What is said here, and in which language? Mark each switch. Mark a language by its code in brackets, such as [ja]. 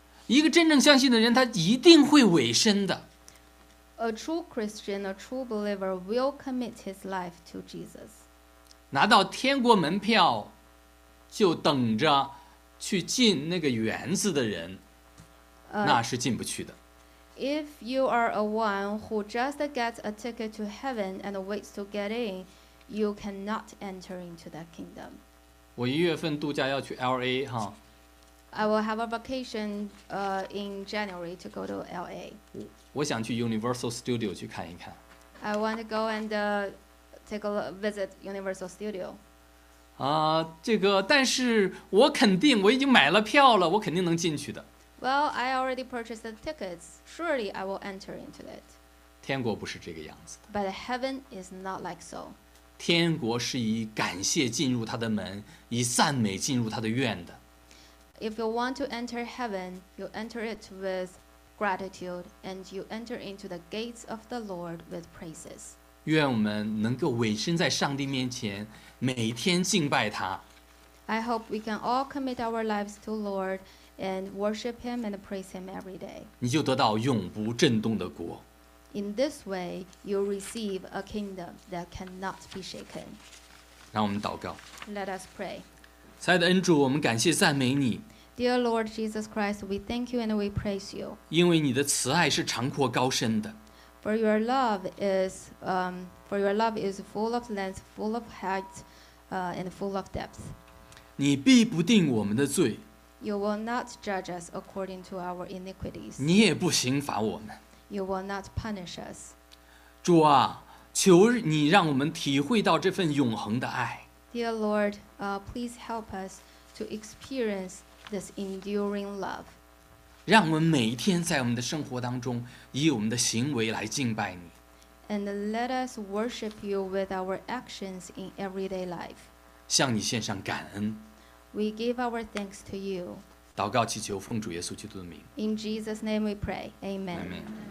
[zh] 一个真正相信的人他一定会委身的。 [en] A true Christian, a true believer will commit his life to Jesus. [zh] 拿到天国门票就等着去进那个园子的人那是进不去的。 [en] If you are a one who just gets a ticket to heaven and waits to get in, you cannot enter into that kingdom. [zh] 我一月份度假要去 LA, 哈。 [en] I will have a vacation in January to go to LA. [zh] 我想去 Universal Studio 去看一看。 [en] I want to go and take a visit Universal Studio. [zh] 这个，但是我肯定，我已经买了票了，我肯定能进去的。 [en] Well, I already purchased the tickets. Surely I will enter into it. [zh] 天国不是这个样子的。 [en] But heaven is not like so. [zh] 天国是以感谢进入他的门，以赞美进入他的院的。 [en] If you want to enter heaven, you enter it with gratitude, and you enter into the gates of the Lord with praises. [zh] 愿我们能够委身在上帝面前，每天敬拜他。 [en] I hope we can all commit our lives to the Lord and worship Him and praise Him every day. [zh] 你就得到永不震动的国。 [en] In this way, you receive a kingdom that cannot be shaken. [zh] 让我们祷告。 [en] Let us pray. [zh] 亲爱的恩主，我们感谢赞美你。 [en] Dear Lord Jesus Christ, we thank you and we praise you. [zh] 因为你的慈爱是长阔高深的。 [en] For your love is, for your love is full of length, full of height, and full of depth. [zh] 你必不定我们的罪。 [en] You will not judge us according to our iniquities. [zh] 你也不刑罚我们。 [en] You will not punish us. [zh] 主啊，求你让我们体会到这份永恒的爱。 [en] Dear Lord, please help us to experience this enduring love. [zh] 让我们每一天在我们的生活当中以我们的行为来敬拜你。 [en] And let us worship you with our actions in everyday life. [zh] 向你献上感恩。 [en] We give our thanks to you. [zh] 祷告祈求奉主耶稣基督的名。 [en] In Jesus' name we pray. Amen. Amen.